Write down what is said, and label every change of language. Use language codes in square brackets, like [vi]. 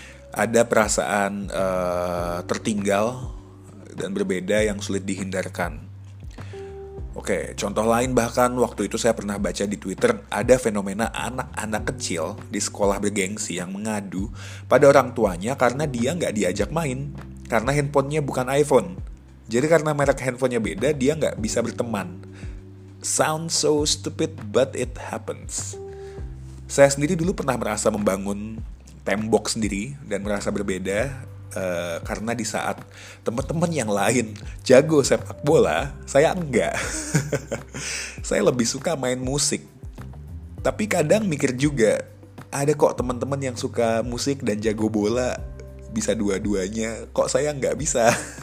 [id] Ada perasaan tertinggal dan berbeda yang sulit dihindarkan. Oke, contoh lain, bahkan waktu itu saya pernah baca di Twitter ada fenomena anak-anak kecil di sekolah bergengsi yang mengadu pada orang tuanya karena dia nggak diajak main karena handphonenya bukan iPhone. Jadi karena merek handphonenya beda, dia nggak bisa berteman. [en] Sounds so stupid, but it happens. [id] Saya sendiri dulu pernah merasa membangun tembok sendiri dan merasa berbeda karena di saat teman-teman yang lain jago sepak bola, saya enggak. Saya lebih suka main musik. Tapi kadang mikir juga, ada kok teman-teman yang suka musik dan jago bola, bisa dua-duanya, kok saya enggak bisa.